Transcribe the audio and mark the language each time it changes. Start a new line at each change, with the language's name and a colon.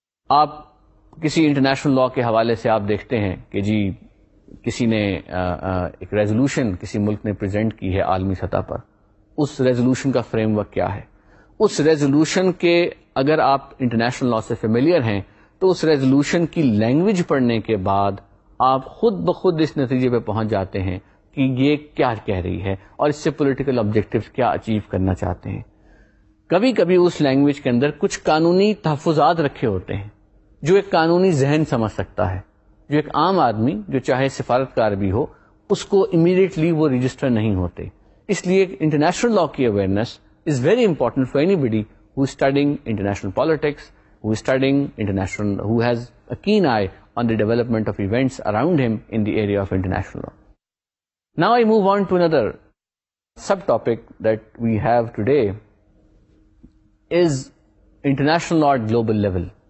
Urdu: Aap kisi international law ke hawale se aap dekhte hain ki ji kisi ne ek resolution kisi mulk ne present ki hai aalmi satah par, us resolution ka framework kya hai, us resolution ke agar aap international law se familiar hain تو اس resolution کی language پڑھنے کے بعد آپ خود بخود اس نتیجے پہ پہنچ جاتے ہیں کہ یہ کیا کہہ رہی ہے اور اس سے پولیٹیکل آبجیکٹیوز کیا اچیو کرنا چاہتے ہیں. کبھی کبھی اس لینگویج کے اندر کچھ قانونی تحفظات رکھے ہوتے ہیں جو ایک قانونی ذہن سمجھ سکتا ہے, جو ایک عام آدمی جو چاہے سفارتکار بھی ہو اس کو امیڈیٹلی وہ رجسٹر نہیں ہوتے. اس لیے
English: International law کی awareness is very important for anybody who is studying international politics, who is studying international, who has a keen eye on the development of events around him in the area of international law. Now I move on to another subtopic that we have today is international law at global level.